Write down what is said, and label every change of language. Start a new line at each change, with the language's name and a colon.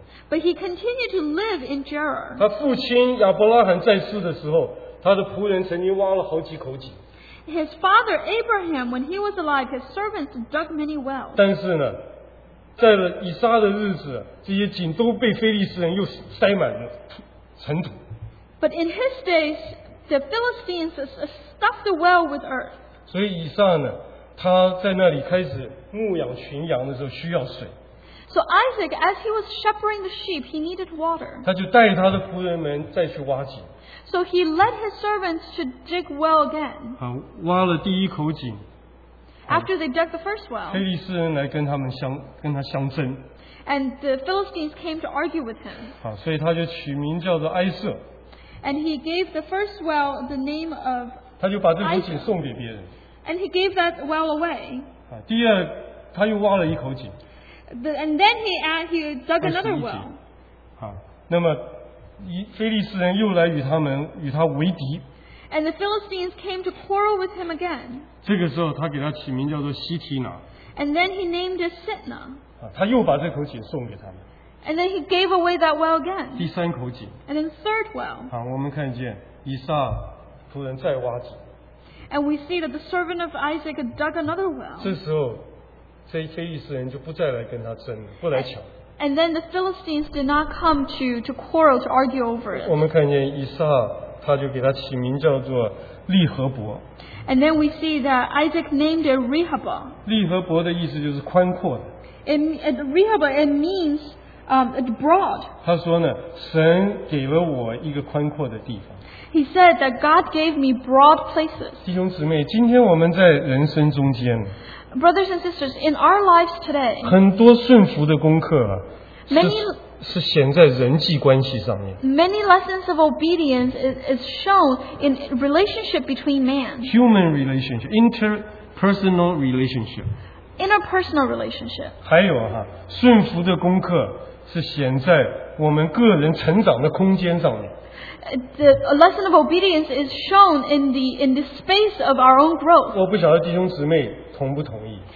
English: But he continued to live in Gerar.
Chinese: 他父亲亚伯拉罕在世的时候, 他的仆人曾经挖了好几口井,
English: his father Abraham, when he was alive, his servants dug many wells.
Chinese: 但是呢, 在以撒的日子, 这些井都被非利士人又塞满了尘土。
English: But in his days, the Philistines stuffed the well with earth.
Chinese: 所以以撒呢, 他在那里开始牧养群羊的时候, 需要水。
English: So Isaac, as he was shepherding the sheep, he needed water.
Chinese: 他就带他的仆人们再去挖井。
English: So he led his servants to dig well again.
Chinese: 好, 挖了第一口井,
English: after they dug the first well,
Chinese: 非利士人来跟他们相争,
English: and the Philistines came to argue with him.
Chinese: 好, 所以他就取名叫做埃瑟,
English: and he gave the first well the name of
Chinese: 他就把这口井送给别人,
English: and he gave that well away.
Chinese: 好, 第二, 他又挖了一口井,
English: and then he dug another well.
Chinese: 好, 那么非利士人又来与他们与他为敌,
English: and the Philistines came to quarrel with him again.
Chinese: 这个时候他给他起名叫做西提拿,
English: and then he named it Sitna.
Chinese: 他又把这口井送给他们,
English: and then he gave away that well again.
Chinese: 第三口井,
English: and then the third well.
Chinese: 好，我们看见以撒仆人再挖井,
English: and we see that the servant of Isaac dug another well.
Chinese: 这时候非利士人就不再来跟他争，不来抢,
English: and then the Philistines did not come to quarrel, to argue over it.
Chinese: 我们看见以撒, 他就给他起名叫做利和伯,
English: and then we see that Isaac named it Rehoboam.
Chinese: 利和伯的意思就是宽阔的,
English: Rehoboam means broad.
Chinese: 他说呢, 神给了我一个宽阔的地方,
English: he said that God gave me broad places.
Chinese: 弟兄姊妹, 今天我们在人生中间,
English: brothers and sisters, in our lives today,
Chinese: 很多顺服的功课, 是显在人际关系上面,
English: many lessons of obedience is shown in relationship between man, human relationship, interpersonal relationship, interpersonal relationship.
Chinese: 还有啊, 顺服的功课是显在我们个人成长的空间上面,
English: the lesson of obedience is shown in the space of our own growth.
Chinese: 我不晓得弟兄姊妹, 同不同意,